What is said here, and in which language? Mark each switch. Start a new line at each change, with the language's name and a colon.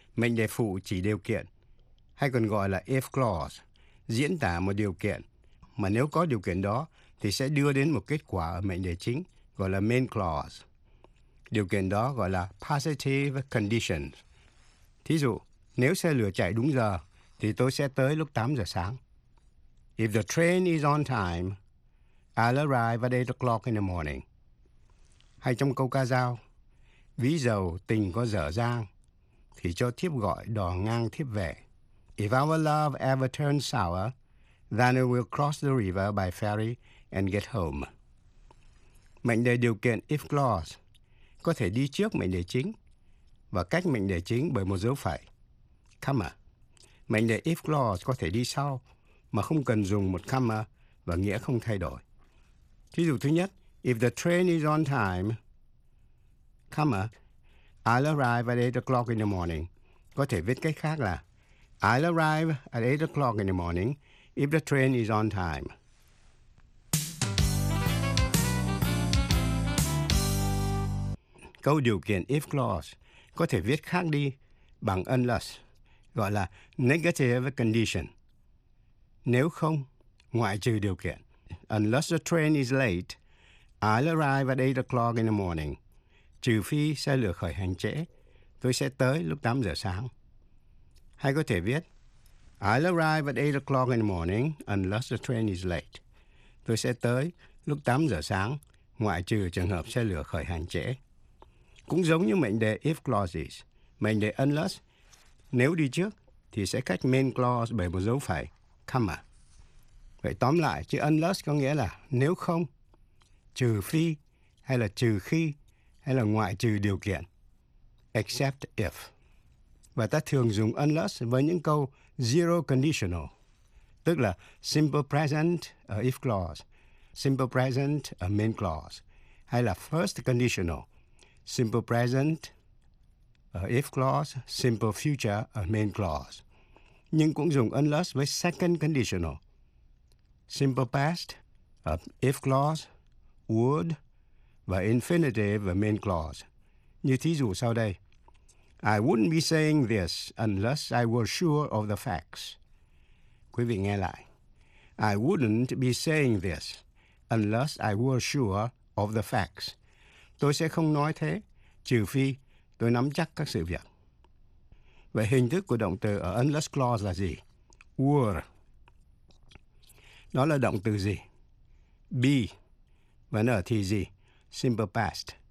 Vietnamese: Mệnh đề phụ chỉ điều kiện, hay còn gọi là if clause, diễn tả một điều kiện, mà nếu có điều kiện đó thì sẽ đưa đến một kết quả ở mệnh đề chính, gọi là main clause. Điều kiện đó gọi là positive conditions. Thí dụ, nếu xe lửa chạy đúng giờ thì tôi sẽ tới lúc 8 giờ sáng.
English: If the train is on time, I'll arrive at 8 o'clock in the morning.
Vietnamese: Hay trong câu ca dao, ví dầu tình có dở dang thì cho thiếp gọi đò ngang thiếp về.
English: If our love ever turns sour, then it will cross the river by ferry and get home.
Vietnamese: Mệnh đề điều kiện if clause có thể đi trước mệnh đề chính và cách mệnh đề chính bởi một dấu phẩy, comma. Mệnh đề if clause có thể đi sau mà không cần dùng một comma và nghĩa không thay đổi. Thí dụ thứ nhất,
English: if the train is on time, comma, I'll arrive at 8 o'clock in the morning.
Vietnamese: Có thể viết cách khác là
English: I'll arrive at 8 o'clock in the morning if the train is on time.
Vietnamese: Câu điều kiện if clause có thể viết khác đi bằng unless, gọi là negative condition. Nếu không, ngoại trừ điều kiện.
English: Unless the train is late, I'll arrive at 8 o'clock in the morning.
Vietnamese: Trừ phi xe lửa khởi hành trễ, tôi sẽ tới lúc 8 giờ sáng. Hay có thể viết,
English: I'll arrive at 8 o'clock in the morning unless the train is late.
Vietnamese: Tôi sẽ tới lúc 8 giờ sáng, ngoại trừ trường hợp xe lửa khởi hành trễ. Cũng giống như mệnh đề if clauses, mệnh đề unless, nếu đi trước thì sẽ cách main clause bởi một dấu phẩy, comma. Vậy tóm lại, chữ unless có nghĩa là nếu không, trừ phi, hay là trừ khi, hay là ngoại trừ điều kiện, except if. Và ta thường dùng unless với những câu zero conditional, tức là simple present ở if clause, simple present ở main clause, hay là first conditional, simple present ở if clause, simple future ở main clause. Nhưng cũng dùng unless với second conditional. Simple past ở if clause, would và infinitive ở main clause. Như thí dụ sau đây.
English: I wouldn't be saying this unless I were sure of the facts.
Vietnamese: Quý vị nghe lại.
English: I wouldn't be saying this unless I were sure of the facts.
Vietnamese: Tôi sẽ không nói thế, trừ phi tôi nắm chắc các sự việc. Vậy hình thức của động từ ở unless clause là gì? Were. Đó là động từ gì? Be. Và nó ở thì gì? Simple past.